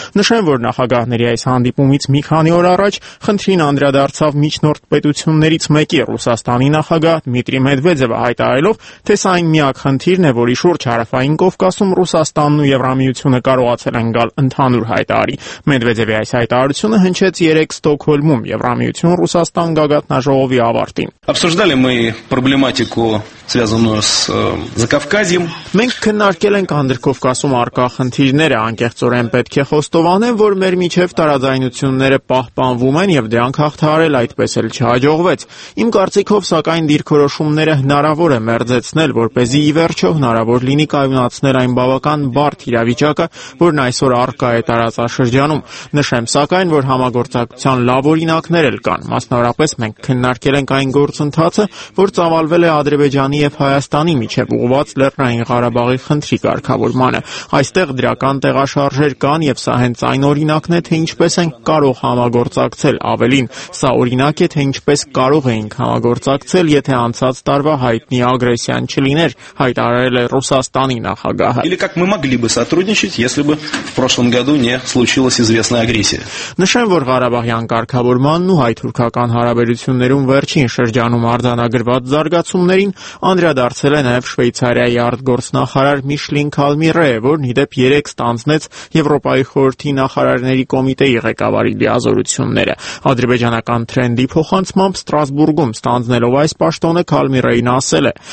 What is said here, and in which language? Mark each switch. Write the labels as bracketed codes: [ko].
[hy] Նշեմ, որ նախագահների այս հանդիպումից մի քանի օր առաջ խնդրին անդրադարձավ միջնորդ պետություններից մեկի Ռուսաստանի նախագահ Դմիտրի Մեդվեդևը, հայտարարելով, թե սա այն միակ խնդիրն է, որի շուրջ հարավային Կովկասում Ռուսաստանն ու Եվրամիությունը կարողացել են գալ ընդհանուր հայտարարի։ Մեդվեդևի այս հայտարարությունը հնչեց 3 Ստոկհոլմում Եվրամիություն Ռուսաստան գագաթնաժողովի ավարտին։ [ru] Обсуждали мы проблематику, связанную с Закавказьем. [hy] Մենք քննարկել ենք Անդրկովկասում առկա խնդիրները, անկեղծորեն պետք է խոստովանեմ, որ մեր միջև տարաձայնությունները պահպանվում են եւ դրանք հաղթահարել այդպես էլ չհաջողվեց։ Իմ կարծիքով, սակայն դիրքորոշումները հնարավոր է մերձեցնել, որպեսզի ի վերջո հնարավոր լինի կայունացնել այն բավական բարդ իրավիճակը, որն այսօր առկա է տարածաշրջանում։ Նշեմ, սակայն, որ համագործակցության լավ օրինակներ էլ կան։ Մասնավորապես մենք քննարկել ենք այն գործընթացը, որ ծավալվել է Ադրբեջանի եւ Հայաստանի միջև ուղղված Լեռնային Ղարաբաղի խնդրի կարգավորմանը։ Այստեղ դրական տեղաշարժեր կան եւ սա հենց այն օրինակն է, թե ինչպես են կարող համագործակցել։ Ավելին, սա օրինակ է, թե ինչպես կարող էինք համագործակցել, եթե անցած տարվա հայտնի ագրեսիան չլիներ, հայտարարել է Ռուսաստանի նախագահը։ [ru] Или как мы могли бы сотрудничать, если бы в прошлом году не случилась известная агрессия։ [hy] Նշեմ, որ Ղարաբաղյան կարգավորմանն ու հայ-թուրքական հարաբերություններում վերջին շրջանում արձանագրված զարգացումներին անդրադարձել է նաեւ Շվեյցարիայի արտգործնախարար Միշլին Քալմիրե, որն ի դեպ 3 ստանձնեց Եվրոպայի խորհրդի նախարարների կոմիտեի ղեկավարի լիազորությունները։ Ադրբեջանական տրենդի փոխանցումը Ստրասբուրգում ստանձնելով այս պաշտոնը Քալմիրեին ասել է.